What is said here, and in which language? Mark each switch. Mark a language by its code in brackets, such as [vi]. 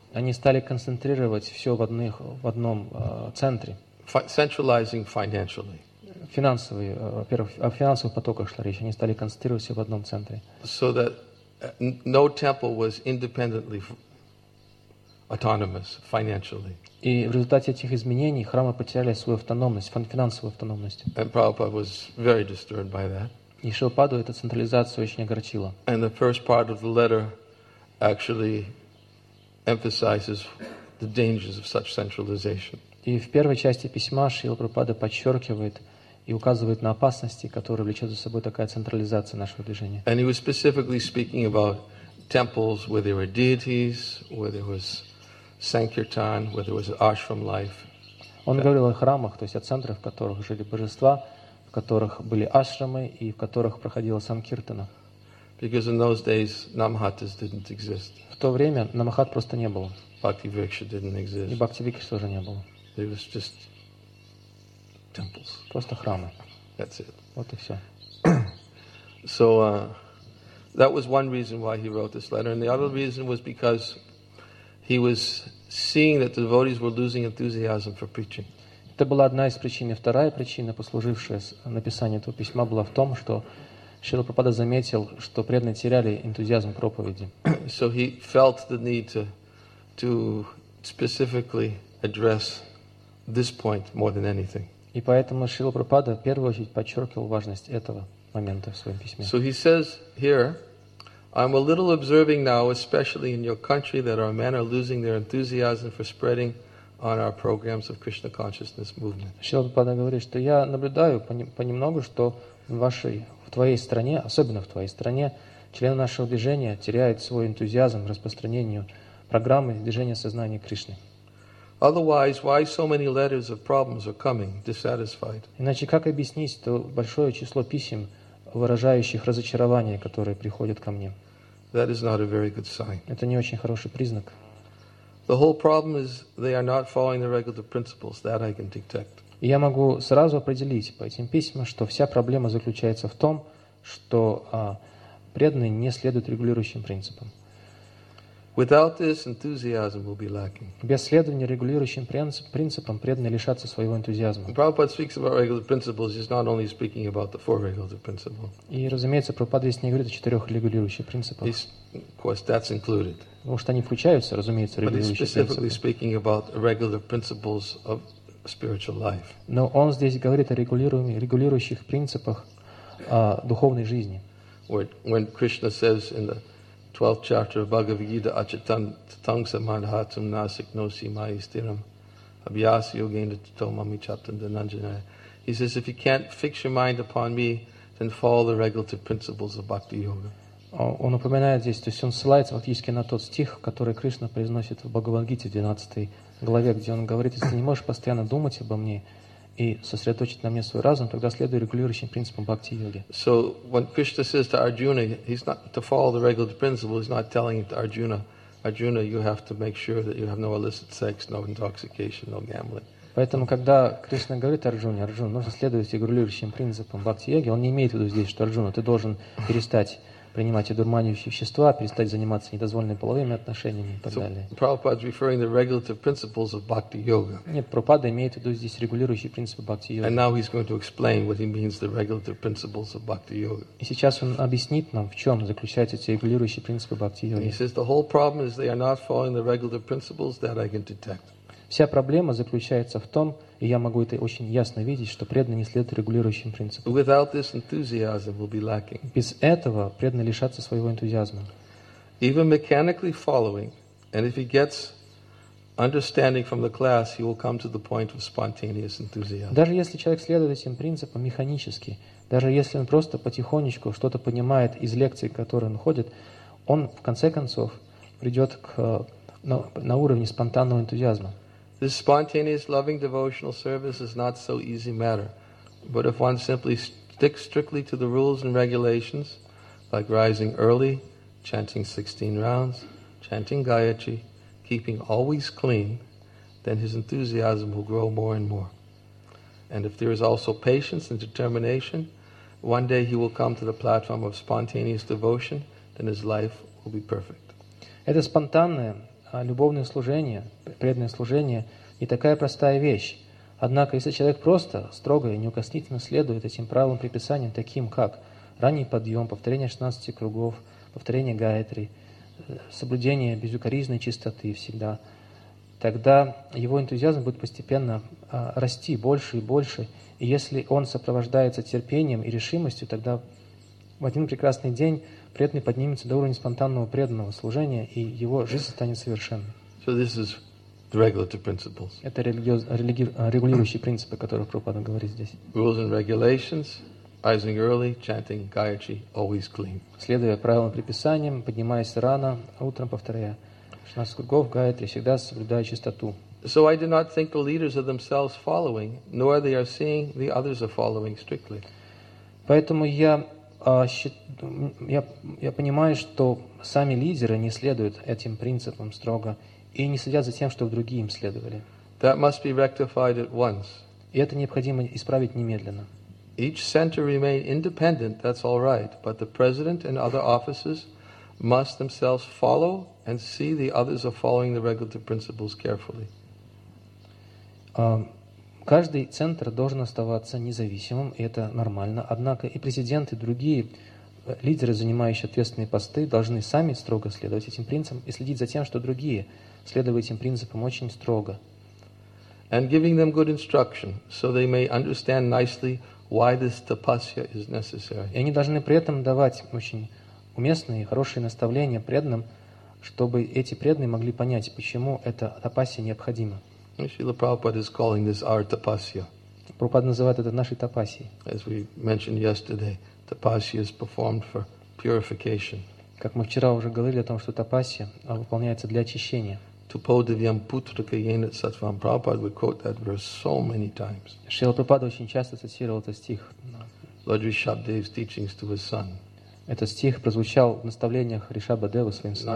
[ru] Они стали концентрировать все в одном центре. [en] Centralizing financially. [ru] Финансовые, во-первых, о финансовых потоках шла речь. Они стали концентрировать все в одном центре. [en] So that no temple was independently autonomous financially. [ru] И в результате этих изменений храмы потеряли свою автономность, финансовую автономность. [en] And Prabhupada was very disturbed by that. [ru] И Шилпаду эта централизация очень огорчила. [en] And the first part of the letter actually emphasizes the dangers of such centralization. [ru] И в первой части письма Шрила Прабхупада подчеркивает и указывает на опасности, которые влечет за собой такая централизация нашего движения. [en] And he was specifically speaking about temples where there were deities, where there was sankirtan, where there was ashram life. [ru] Он говорил о храмах, то есть о центрах, в которых жили божества, в которых были ашрамы и в которых проходила санкиртана. [en] Because in those days namahatas didn't exist. [ru] В то время намахат просто не было. [en] Bhakti viksha didn't exist. [ru] И бхакти викша тоже не было. [en] It was just temples. [ru] Просто храмы. [en] That's it. [ru] Вот и все. [en] So that was one reason why he wrote this letter, and the other reason was because he was seeing that the devotees were losing enthusiasm for preaching. [ru] Это была одна из причин. Вторая причина, послужившая написанию этого письма, была в том, что Шрила Прабхупада заметил, что преданные теряли энтузиазм проповеди. [en] So he felt the need to specifically address this point more than anything. [ru] И поэтому Шрила Прабхупада в первую очередь подчеркивал важность этого момента в своем письме. [en] So he says here, I'm a little observing now, especially in your country, that our men are losing their enthusiasm for spreading on our programs of Krishna consciousness movement. [ru] Шрила Прабхупада говорит, что я наблюдаю понемногу, что в твоей стране, особенно в твоей стране, члены нашего движения теряют свой энтузиазм к распространению программы движения сознания Кришны. [en] Otherwise, why so many letters of problems are coming, dissatisfied? [ru] Иначе как объяснить то большое число писем, выражающих разочарование, которые приходят ко мне? [en] That is not a very good sign. [ru] Это не очень хороший признак. [en] The whole problem is they are not following the regular principles. That I can detect. [ru] И я могу сразу определить по этим письмам, что вся проблема заключается в том, что преданные не следуют регулирующим принципам. [en] Without this, enthusiasm will be lacking. [ru] Без следования регулирующим принципам преданные лишатся своего энтузиазма. [en] Prabhupada speaks about regular principles. He's not only speaking about the four regular principles. [ru] И, разумеется, Прабхупада здесь не говорит о четырех регулирующих принципах. [en] Of course, that's included. [ru] Потому что они включаются, разумеется, регулирующие принципы. [en] But he's specifically speaking about regular principles of spiritual life. [ru] Но он здесь говорит о регулирующих принципах духовной жизни. [en] When Krishna says in the 12th chapter of Bhagavad Gita, [sa] Achatan Tatangsa Manhatum Nasik Nosi Mayastiram Abhyasi Yogendra Tatomami Chaptan Dananjanaya. [en] He says, if you can't fix your mind upon me, then follow the regulative principles of Bhakti Yoga. [ru] Он упоминает здесь, то есть он ссылается фактически на тот стих, который Кришна произносит в Бхагавад Гите, 12 главе, где он говорит, если ты не можешь постоянно думать обо мне и сосредоточить на мне свой разум, тогда следуй регулирующим принципам бхакти-йоги. [en] So when Krishna says to Arjuna, he's not to follow the regular principle, he's not telling it to Arjuna, Arjuna, you have to make sure that you have no illicit sex, no intoxication, no gambling. [ru] Поэтому, когда Кришна говорит Арджуне, нужно следовать регулирующим принципам бхакти-йоги, он не имеет в виду здесь, что Арджуна, ты должен перестать принимать одурманивающие вещества, перестать заниматься недозволенными половыми отношениями и так далее. [en] So, Prabhupada is referring to regulative principles of bhakti yoga. [ru] Нет, Прабхупада имеет в виду здесь регулирующие принципы бхакти йоги. [en] And now he's going to explain what he means the regulative principles of bhakti yoga. [ru] И сейчас он объяснит нам, в чем заключаются эти регулирующие принципы бхакти йоги. [en] He says the whole problem is they are not following the regulative principles that I can detect. [ru] Вся проблема заключается в том, и я могу это очень ясно видеть, что преданные не следуют регулирующим принципам. [en] Without this, enthusiasm will be lacking. [ru] Без этого преданные лишатся своего энтузиазма. [en] Even mechanically following, and if he gets understanding from the class, he will come to the point of spontaneous enthusiasm. [ru] Даже если человек следует этим принципам механически, даже если он просто потихонечку что-то понимает из лекций, которые он ходит, он в конце концов придет на уровне спонтанного энтузиазма. [en] This spontaneous loving devotional service is not so easy matter. But if one simply sticks strictly to the rules and regulations, like rising early, chanting 16 rounds, chanting Gayatri, keeping always clean, then his enthusiasm will grow more and more. And if there is also patience and determination, one day he will come to the platform of spontaneous devotion, then his life will be perfect. [ru] Это спонтанное. Любовное служение, преданное служение не такая простая вещь. Однако, если человек просто, строго и неукоснительно следует этим правилам приписания, таким как ранний подъем, повторение 16 кругов, повторение гаятри, соблюдение безукоризной чистоты всегда, тогда его энтузиазм будет постепенно расти больше и больше. И если он сопровождается терпением и решимостью, тогда В один прекрасный день преданный поднимется до уровня спонтанного преданного служения, и его жизнь станет совершенной. [en] So this is the regulative principles. [ru] Это регулирующие принципы, о которых Прабхупада говорит здесь. [en] Rules and regulations. Rising early, chanting Gayatri, always clean. [ru] Следуя правилам предписаниям, поднимаясь рано, утром повторяя 16 кругов Гаятри, всегда соблюдая чистоту. [en] So I do not think the leaders are themselves following, nor they are seeing the others are following strictly. [ru] Поэтому я понимаю, что сами лидеры не следуют этим принципам строго и не следят за тем, чтобы другие им следовали. [en] That must be rectified at once. [ru] И это необходимо исправить немедленно. [en] Each center remain independent, that's all right, but the president and other officers must themselves follow and see the others are following the regulative principles carefully. [ru] Каждый центр должен оставаться независимым, и это нормально, однако и президент, и другие лидеры, занимающие ответственные посты, должны сами строго следовать этим принципам и следить за тем, что другие следуют этим принципам очень строго. [en] And giving them good instruction, so they may understand nicely why this tapasya is necessary. [ru] И они должны при этом давать очень уместные и хорошие наставления преданным, чтобы эти преданные могли понять, почему эта тапасья необходима. [en] Srila Prabhupada is calling this our tapasya. [ru] Прабхупада называет это нашей тапасьей. [en] As we mentioned yesterday, tapasya is performed for purification. [ru] Как мы вчера уже говорили о том, что тапасья выполняется для очищения. [sa] Tupo devyam putraka yena satvam. [en] Prabhupada would quote that verse so many times. [ru] Шрила Прабхупада очень часто цитировал этот стих. [en] Lord Rishabhdev's teachings to his son. [ru] Этот стих прозвучал в наставлениях Ришабхадева своим сыном.